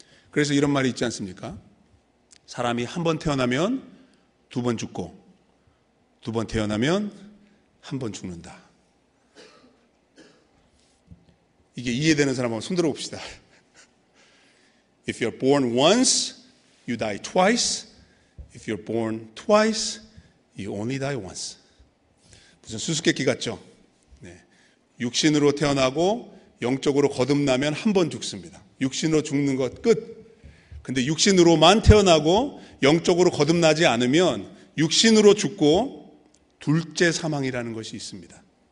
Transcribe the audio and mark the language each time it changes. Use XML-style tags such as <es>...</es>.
<ko>그래서 이런 말이 있지 않습니까? 사람이 한 번 태어나면 두 번 죽고 두 번 태어나면 한 번 죽는다. 이게 이해되는 사람 한번 손들어 봅시다.</ko> <en>If you're born once, you die twice. If you're born twice, you only die once.</en> <ko>무슨 수수께끼 같죠? 네. 육신으로 태어나고 영적으로 거듭나면 한 번 죽습니다. 육신으로 죽는 것 끝. 근데 육신으로만 태어나고 영적으로 거듭나지 않으면 육신으로 죽고 둘째 사망이라는 것이 있습니다.</ko>